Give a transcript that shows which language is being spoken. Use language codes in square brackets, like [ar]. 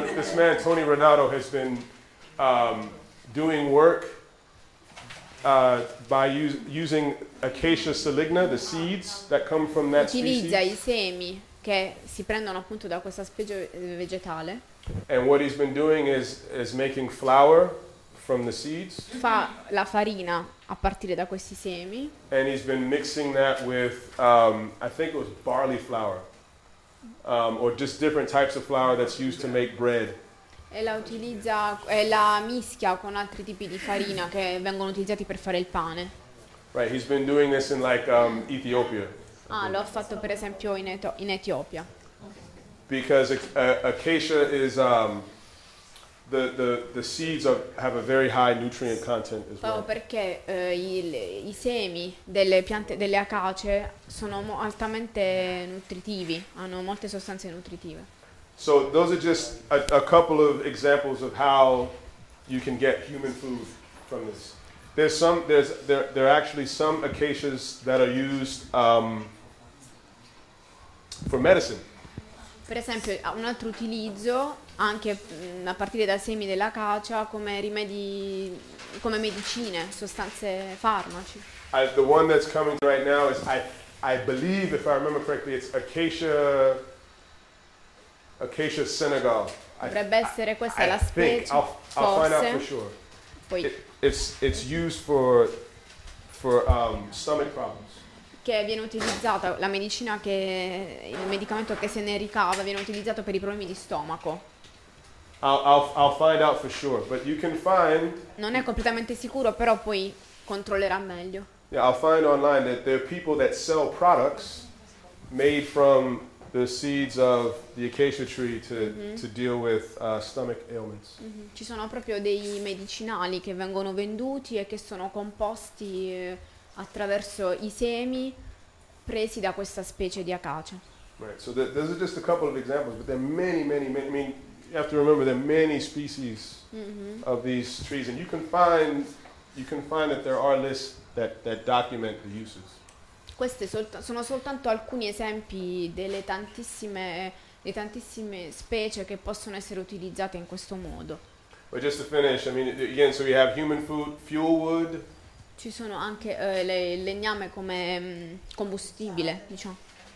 [en] This man, Tony Renato, has been doing work by using acacia saligna, the seeds that come from that species. [it] Utilizza i semi che si prendono appunto da questa specie vegetale. [en] And what he's been doing is making flour from the seeds. [it] Fa la farina a partire da questi semi. [en] And he's been mixing that with I think it was barley flour. Or just different types of flour that's used to make bread. [it] E la utilizza e la mischia con altri tipi di farina che vengono utilizzati per fare il pane. [en] Right, he's been doing this in like Ethiopia. [it] Ah, lo ha fatto per esempio in Etiopia. [en] Because acacia is the seeds have a very high nutrient content as well. [it] Perché i semi delle piante delle acace sono altamente nutritivi, hanno molte sostanze nutritive. [en] So those are just a couple of examples of how you can get human food from this. There are actually some acacias that are used for medicine. [it] Per esempio, un altro utilizzo anche a partire dai semi dell'acacia come rimedi, come medicine, sostanze, farmaci. [en] The one that's coming right now is I believe, if I remember correctly, it's acacia Senegal. [it] Dovrebbe essere questa la specie. [en] I'll find out for sure. [it] Poi. [en] It's used for stomach problems. [it] Che viene utilizzata la medicina che il medicamento che se ne ricava viene utilizzato per i problemi di stomaco. [en] I'll find out for sure, but you can find. [it] Non è completamente sicuro, però poi controllerà meglio. [en] Yeah, I'll find online that there are people that sell products made from the seeds of the acacia tree to deal with stomach ailments. Mm-hmm. [it] Ci sono proprio dei medicinali che vengono venduti e che sono composti attraverso i semi presi da questa specie di acacia. [en] Right. So those are just a couple of examples, but there are many. I mean, you have to remember there are many species of these trees, and you can find that there are lists that document the uses. [it] Queste sono soltanto alcuni esempi delle tantissime specie che possono essere utilizzate in questo modo. [en] Well, just to finish, I mean, again, so we have human food, fuel wood. [it] Ci sono anche il legname come combustibile, diciamo.